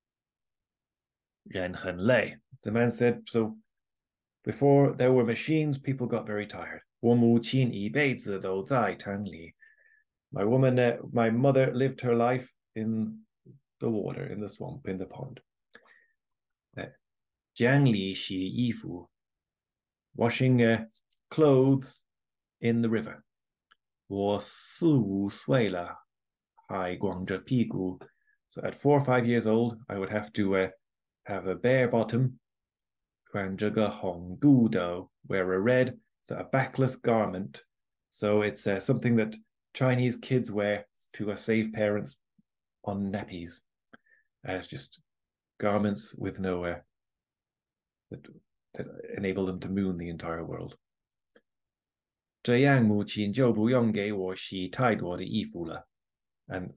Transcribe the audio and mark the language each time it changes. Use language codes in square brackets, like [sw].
[zh] 男人说,没有机器的时候,人很累. [en] The man said, so before there were machines, people got very tired. [zh] 我母亲一辈子都在汤里. [en] My mother lived her life in the water, in the swamp, in the pond. [zh] 将里洗衣服, [en] washing clothes in the river. [zh] 我四五岁了还光着屁股. [en] So at 4 or 5 years old, I would have to have a bare bottom, [zh] 穿着个红肚兜, [en] wear a red, so a backless garment. So it's something that Chinese kids wear to save parents on nappies. It's just garments with no air that enable them to moon the entire world. [zh] 这样母亲就不用给我洗太多的衣服了。And